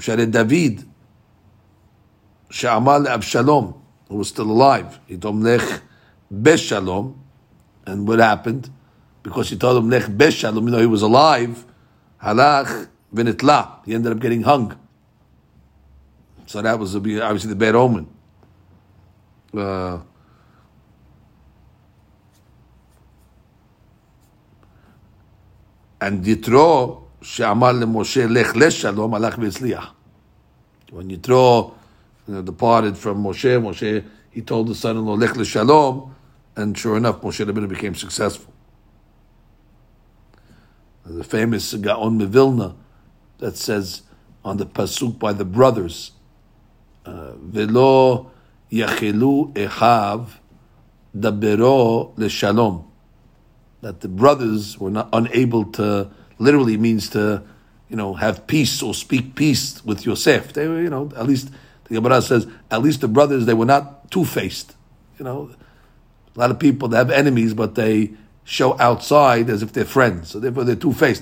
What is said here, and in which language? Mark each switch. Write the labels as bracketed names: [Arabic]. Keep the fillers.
[Hebrew] Share David, she'amal Abshalom, [English] who was still alive. He told him lech beshalom. And what happened? because he told him Lech Beshalom, even though he was alive, [Hebrew] Halach Vinitla. [English] He ended up getting hung. So that was obviously the bad omen. [Hebrew] Uh, and Yitro שאמר למשה לך לשלום הלך והצליח. [English] When Yitro you know, departed from Moshe, Moshe, he told the son-in-law, [Hebrew] לך לשלום, [English] and sure enough, Moshe Rabbeinu became successful the famous Gaon Mivilna that says on the pasuk by the brothers, [Hebrew] ולא יכלו אחיו דברו לשלום. [English] That the brothers were not unable to, literally means to, you know, have peace or speak peace with Yosef. They were, you know, at least, the Gemara says, at least the brothers, they were not two-faced. You know, a lot of people, they have enemies, but they show outside as if they're friends. So therefore they're two-faced.